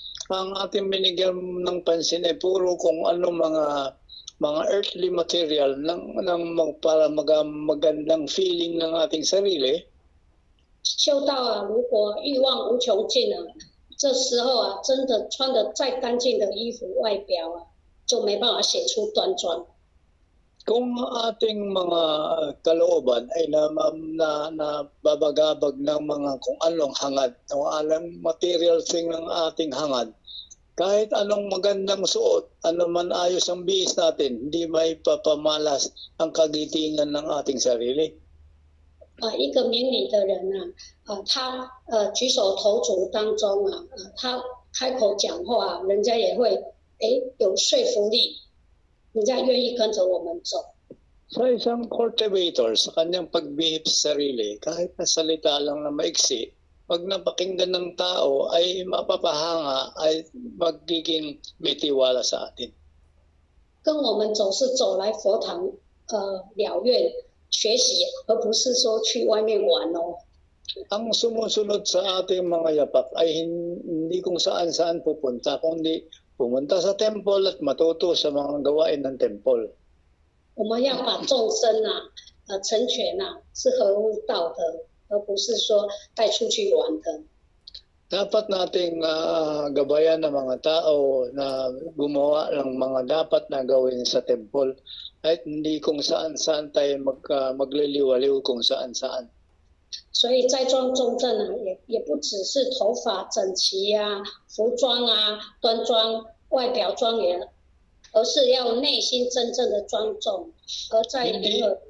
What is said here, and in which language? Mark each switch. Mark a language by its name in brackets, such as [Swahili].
[Filipino] Ang ating binigyan ng pansin ay puro kung ano mga earthly material ng para magandang feeling ng ating sarili. [Chinese] 修道啊，如果欲望无穷尽啊，这时候啊，真的穿的再干净的衣服外表啊，就没办法显出端庄。 [Filipino] Kung ating mga kalooban ay nababagabag ng mga kung anong hangad, kung anong material thing ng ating hangad, kahit anong magandang suot, anuman ayos ang bihis natin, hindi may papamalas ang kagitingan ng ating sarili. [Chinese] 一个明理的人呢、他举手投足当中啊，他开口讲话，人家也会有说服力，人家愿意跟着我们走。 [Filipino] So isang cultivator sa kanyang pagbihip sa sarili, kahit na salita lang na maiksi, pag napakinggan ng tao ay mapapahanga, ay magiging bitiwala sa atin. [Chinese] 跟我们走是走来佛堂，疗愈、学习，而不是说去外面玩哦。 [Filipino] Ang sumusunod sa ating mga yapak ay hindi kung saan saan pupunta, kundi pumunta sa temple at matuto sa mga gawain ng temple. [Chinese] 我们要把众生啊，成全啊，是合乎道德，而不是说带出去玩的。 [Filipino] Dapat nating gabayan ng mga tao na gumawa ng mga dapat na gawin sa temple at hindi kung saan-saan tayo magliliwaliw kung saan-saan. [Chinese] 所以斋庄中正啊，也不只是头发整齐呀、服装啊、端庄、外表庄严，而是要内心真正的庄重，而在于